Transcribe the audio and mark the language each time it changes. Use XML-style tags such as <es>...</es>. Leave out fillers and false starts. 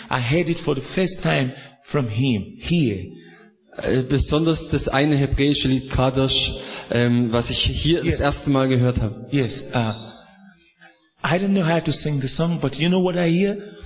<en>I heard it for the first time from him here.</en> <de>Besonders das eine hebräische Lied Kadosh, was ich hier das erste Mal gehört habe.</de> <en>Yes. I don't know how to sing the song, but you know what I hear?</en>